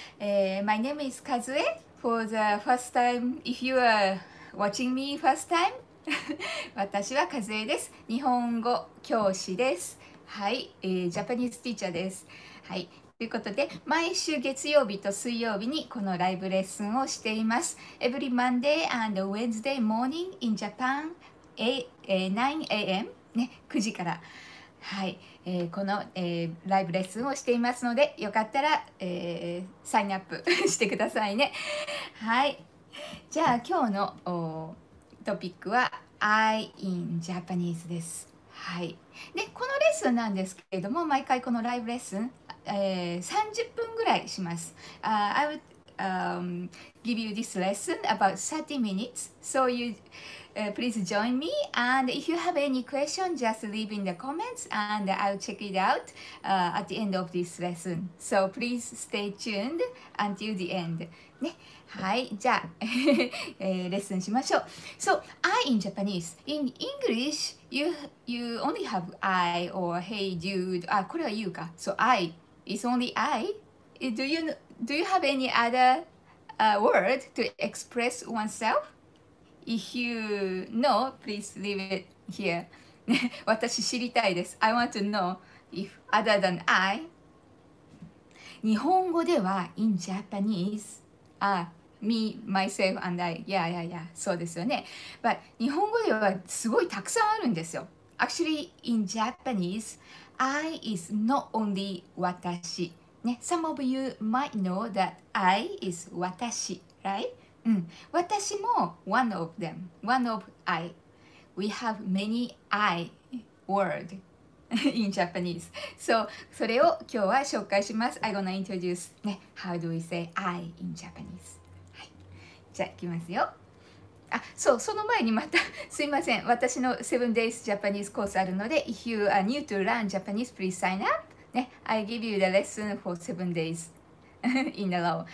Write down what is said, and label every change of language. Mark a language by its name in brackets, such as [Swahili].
[English] My name is カズエ。For the first time, if you are watching me first time, [Japanese] 私はカズエです。日本語教師です。はい、 [English] Japanese teacher [Japanese] です。はい、ということで、毎週月曜日と水曜日にこのライブレッスンをしています。 [English] Every Monday and Wednesday morning in Japan, 9 a.m. [Japanese] ね、9時から。はい、この、ライブレッスンをしていますので、よかったら、サインアップ してくださいね。はい、じゃあ今日のトピックは [English] I in Japanese [Japanese] です。はい、でこのレッスンなんですけれども、毎回このライブレッスン、30分ぐらいします。 [English] I would give you this lesson about 30 minutes. So you please join me. And if you have any question, just leave in the comments and I'll check it out at the end of this lesson. So please stay tuned until the end. [Japanese] ね、はい、じゃあ レッスンしましょう。 [English] So I in Japanese. In English, you only have I or hey dude. [Japanese] あ、これは you か。 [English] So I is only I. Do you have any other word to express oneself? If you know, please leave it here. [Japanese] 私知りたいです。 [English] I want to know if other than I. [Japanese] 日本語では、 [English] in Japanese, me, myself, and I. [Japanese] そうですよね。 But 日本語ではすごいたくさんあるんですよ。 [English] Actually, in Japanese, I is not only 私。ね、Some of you might know that I is 私, right? 私も one of them, one of I. We have many I word in Japanese. [Japanese] So, それを今日は紹介します。 [English] I'm gonna introduce, ね、How do we say I in Japanese? [Japanese] じゃあ行きますよ。あ、そう、その前にまた すいません。私の [English] 7 days Japanese course [Japanese] あるので、 [English] If you are new to learn Japanese, please sign up. ね、I give you the lesson for 7 days in a row.